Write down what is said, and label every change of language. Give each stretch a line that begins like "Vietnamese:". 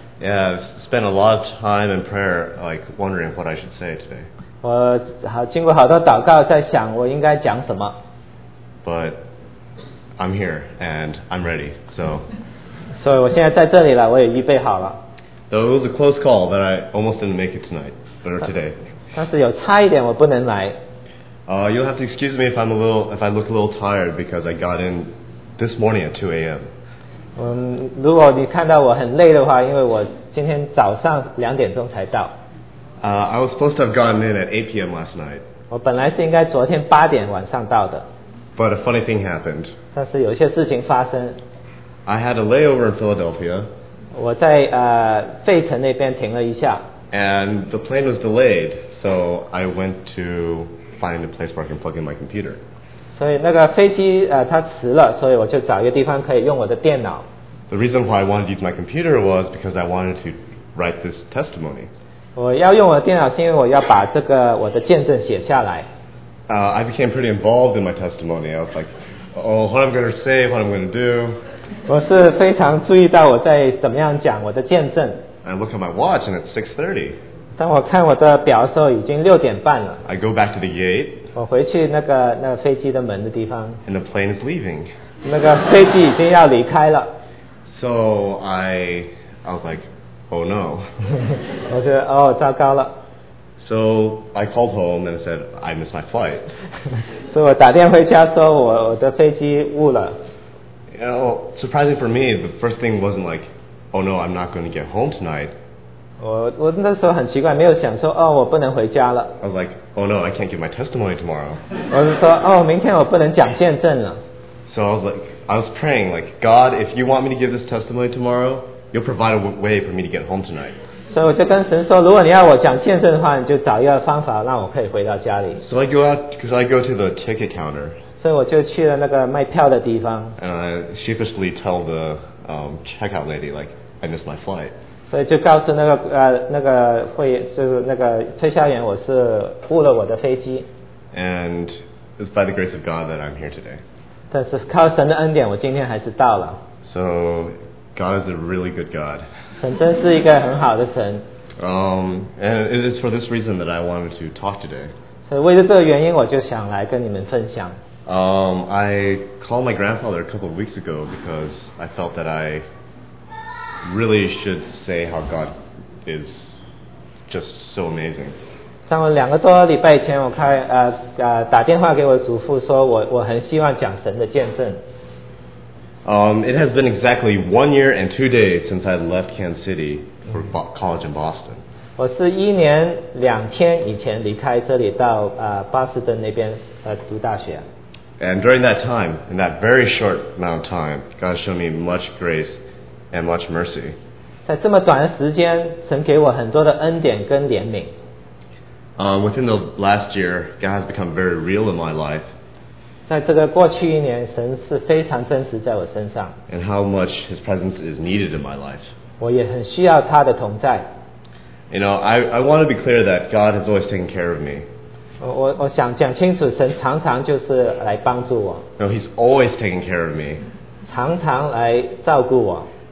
English: Yeah, I've spent a lot of time in prayer, like wondering what I should say today.
Chinese: 我好经过好多祷告，在想我应该讲什么。
English: But. I'm here and I'm ready. So,
Chinese: 所以我现在在这里了，我也预备好了。
English: Though it was a close call that I almost didn't make it tonight or today.
Chinese: 但是有差一点我不能来。
English: You'll have to excuse me if I look a little tired because I got in this morning at 2 a.m.
Chinese: 如果你看到我很累的话，因为我今天早上两点钟才到。
English: I was supposed to have gotten in at 8 p.m. last night.
Chinese: 我本来是应该昨天八点晚上到的。
English: But a funny thing happened.
Chinese: 但是有一些事情发生。
English: I had a layover in Philadelphia.
Chinese: 我在费城那边停了一下。
English: And the plane was delayed, so I went to find a place where I can plug in my computer.
Chinese: 所以那个飞机它迟了，所以我就找一个地方可以用我的电脑。
English: The reason why I wanted to use my computer was because I wanted to write this testimony.
Chinese: 我要用我的电脑是因为我要把这个我的见证写下来。
English: I became pretty involved in my testimony. I was like, oh, what I'm going to say, what I'm going to do.
Chinese: 我是非常注意到我在怎么样讲我的见证。
English: I look at my watch and it's 6:30.
Chinese: 当我看我的表的时候已经六点半了。
English: I go back to the gate.
Chinese: 我回去那飞机的门的地方。
English: And the plane is leaving.
Chinese: 那个飞机已经要离开了。
English: So I was like, oh no.
Chinese: 我觉得哦糟糕了。
English: So I called home and said I missed my flight.
Chinese: 所以我打电话回家说我的飞机误了。
English: You know, surprising for me, the first thing wasn't like, oh no, I'm not going to get home tonight.
Chinese: 我那时候很奇怪，没有想说哦，我不能回家了。
English: I was like, oh no, I can't give my testimony tomorrow.
Chinese: 我是说哦，明天我不能讲见证了。
English: So I was praying like, God, if you want me to give this testimony tomorrow, you'll provide a way for me to get home tonight.
Chinese: 所以我就跟神说，如果你要我讲见证的话，你就找一个方法让我可以回到家里。
English: So I go out because I go to the ticket counter.
Chinese: 所以我就去了那个卖票的地方。
English: And I sheepishly tell the checkout lady like I missed my flight.
Chinese: 所以就告诉那个推销员我是误了我的飞机。
English: And it's by the grace of God that I'm here today.
Chinese: 但是靠神的恩典，我今天还是到了。
English: So God is a really good God.
Chinese: 神真是一个很好的神。
English: And it is for this reason that I wanted to talk today.
Chinese: 所以为了这个原因，我就想来跟你们分享。
English: I called my grandfather a couple of weeks ago because I felt that I really should say how God is just so amazing.
Chinese: 在我两个多礼拜前，我开打电话给我祖父，说我很希望讲神的见证。
English: It has been exactly 1 year and 2 days since I left Kansas City for college in Boston.
Chinese: 我是一年两天以前离开这里到波士顿那边读大学。
English: And during that time, in that very short amount of time, God showed me much grace and much mercy.
Chinese: 在这么短的时间，神给我很多的恩典跟怜悯。
English: Within the last year, God has become very real in my life.
Chinese: 在这个过去一年，神是非常真实在我身上。
English: And how much His presence is needed in my life.
Chinese: 我也很需要他的同在。
English: You know, I want to be clear that God has always taken care of me.
Chinese: 我想讲清楚，神常常就是来帮助我。
English: No, He's always taken care of me.
Chinese: 常常来照顾我。